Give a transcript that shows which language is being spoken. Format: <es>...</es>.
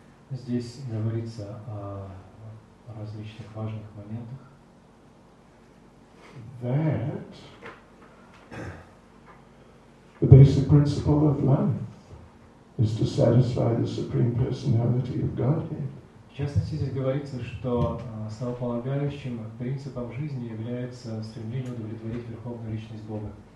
<ru>Здесь говорится о различных важных моментах.</ru> <en>That the basic principle of life is to satisfy the Supreme Personality of Godhead.</en> <ru>В частности, здесь говорится, что основополагающим принципом жизни является стремление удовлетворить Верховную Личность Бога.</ru>